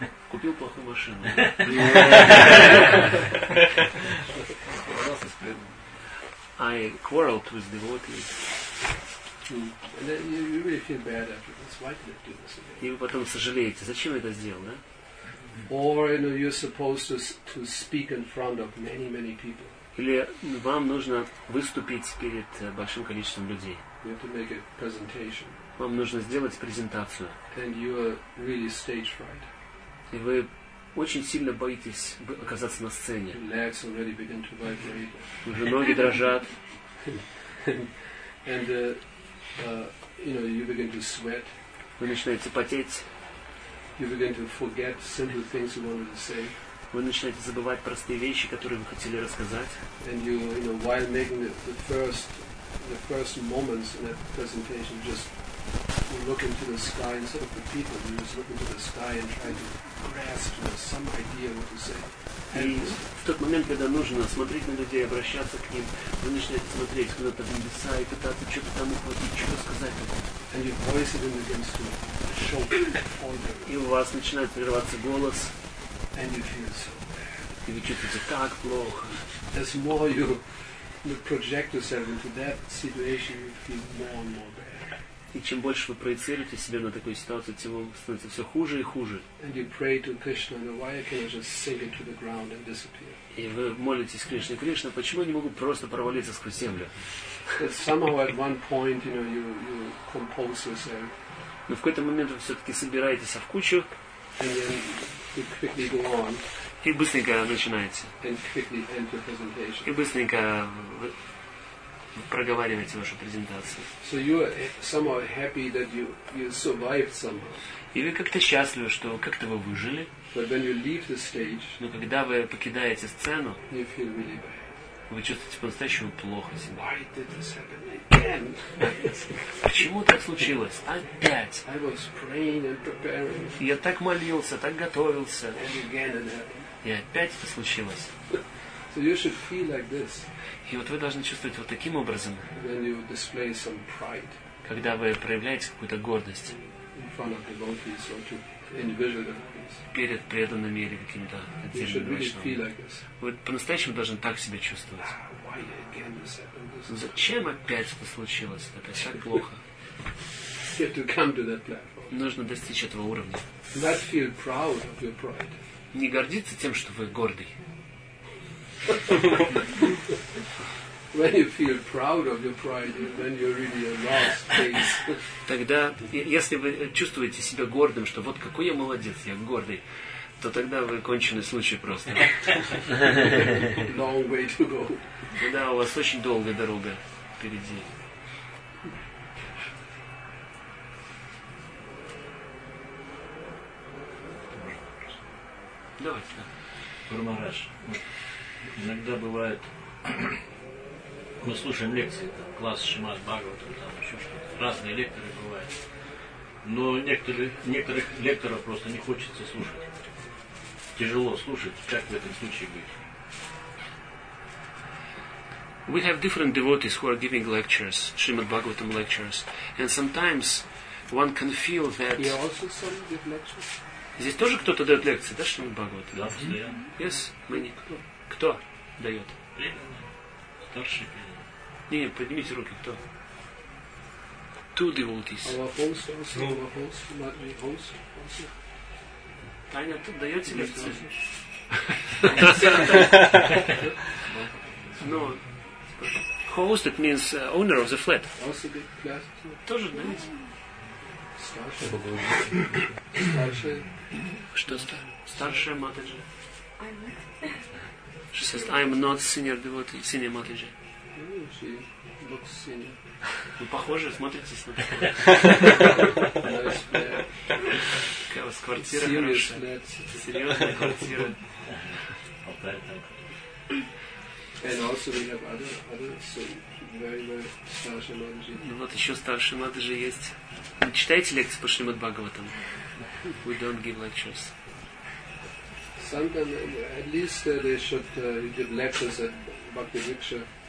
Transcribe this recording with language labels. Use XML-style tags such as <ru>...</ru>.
<ru>Купил плохую машину.</ru> <en>I quarreled with devotee. And then you really feel bad afterwards. Why did I do this again?</en> <ru>И вы потом сожалеете, зачем я это сделал, да?</ru> <en>Or you know, you're supposed to speak in front of many people.</en> <ru>Или вам нужно выступить перед большим количеством людей.</ru> <en>You have to make a presentation.</en> <ru>Вам нужно сделать презентацию.</ru> <en>And you're really stage fright.</en> <ru>И вы очень сильно боитесь оказаться на сцене.</ru> <en>Your legs already begin to vibrate.</en> <ru>Уже ноги дрожат.</ru> <en>And you know, you begin to sweat.</en> <ru>Вы начинаете потеть.</ru> <en>You begin to forget simple things you wanted to say.</en> <ru>Вы начинаете забывать простые вещи, которые вы хотели рассказать.</ru> <en>And you know, while making the first moments in that presentation, just look into the sky instead of the people. You just look into the sky and try to grasp some idea what to say.</en> <ru>И в тот момент, когда нужно смотреть на людей, обращаться к ним, вы начинаете смотреть куда-то в небеса и пытаться что-то там ухватить, что-то сказать.</ru> <en>And you voice it against you, show order.</en> <ru>И у вас начинает прерываться голос.</ru> <en>And you feel so bad.</en> <ru>И вы чувствуете так плохо.</ru> <en>As more you project yourself into that situation, you feel more and more bad.</en> <ru>И чем больше вы проецируете себя на такую ситуацию, тем вам становится все хуже и хуже.</ru> <en>And you pray to Krishna, why can I just sink into the ground and disappear?</en> <ru>И вы молитесь Кришне, Кришна, почему я не могу просто провалиться сквозь землю?</ru> <en>But somehow at one point, you know, you compose yourself.</en> <ru>Но в какой-то момент вы все-таки собираетесь в кучу.</ru> <en>And then you quickly go on.</en> <ru>И быстренько начинаете.</ru> <en>And quickly end your presentation.</en> <ru>И быстренько проговариваете вашу презентацию.</ru> <en>So you are somehow happy that you survived somehow.</en> <ru>И вы как-то счастливы, что как-то вы выжили.</ru> <en>But when you leave the stage,</en> <ru>но когда вы покидаете сцену,</ru> <en>you feel really bad.</en> <ru>Вы чувствуете по-настоящему плохо себя.</ru> <en>Why did this happen again?</en> <ru>Почему так случилось? Опять.</ru> <en>I was praying and preparing.</en> <ru>Я так молился, так готовился.</ru> <en>And again it happened.</en> <ru>И опять это случилось.</ru> <en>So you should feel like this.</en> <ru>И вот вы должны чувствовать вот таким образом,</ru> <en>when you display some pride,</en> <ru>когда вы проявляете какую-то гордость</ru> <en>in front of devotees or to individual devotees.</en> <ru>Перед преданными или каким-то отдельным</ru> <en>you really вайшнавами. Feel like this.</en> <ru>Вы по-настоящему должны так себя чувствовать.</ru> <en>Why again this happened?</en> <ru>Зачем опять это случилось? Это так плохо.</ru> <en>You have to come to that platform.</en> <ru>Нужно достичь этого уровня.</ru> <en>Not feel proud of your pride.</en> <ru>Не гордиться тем, что вы гордый.</ru> <en>When you feel proud of your pride, then you're really a lost case.</en> <ru>Тогда, если вы чувствуете себя гордым, что вот какой я молодец, я гордый, то тогда вы конченый случай просто.</ru> <en>Long way to go.</en> <ru>Да, у вас очень долгая дорога впереди. Давайте. Гуру Махарадж. Иногда бывает мы слушаем лекции, там, класс Шримад Бхагаватам, там еще что-то, разные лекторы бывают. Но некоторых лекторов просто не хочется слушать. Тяжело слушать, как в этом случае быть.</ru> <en>We have different devotees who are giving lectures, Srimad Bhagavatam lectures, and sometimes one can feel that... He also some give lectures?</en> <ru>Здесь тоже кто-то дает лекции, да, Шримад Бхагаватам? Да, постоянно.</ru> <en>Yes, many.</en> <ru>Кто дает? Преданные. Старшие преданные. Не, поднимите руки, кто?</ru> <en>Two devotees. Our hosts also. No. Our hosts, not my hosts also.</en> <ru>Таня, тут даете лекции?</ru> <en>Но... Host, it means owner of the flat.</en> <ru>Тоже, да? Старшая. Что старшая матаджа?</ru> <en>She says, I'm not senior devotee, senior matajah. She looks senior.</en> <ru>Ну, похоже, смотрите с ним. Какая у вас квартира хорошая. Серьезная квартира.</ru> <en>And also we have others, so very, very</en> <ru>старшие матаджи. Ну вот еще старшие матаджи есть. Не читайте лекции по Шримад Бхагаватам.</ru> <en>We don't give lectures. Sometimes, at least they should give lectures at Bhakti Vriksha.</en>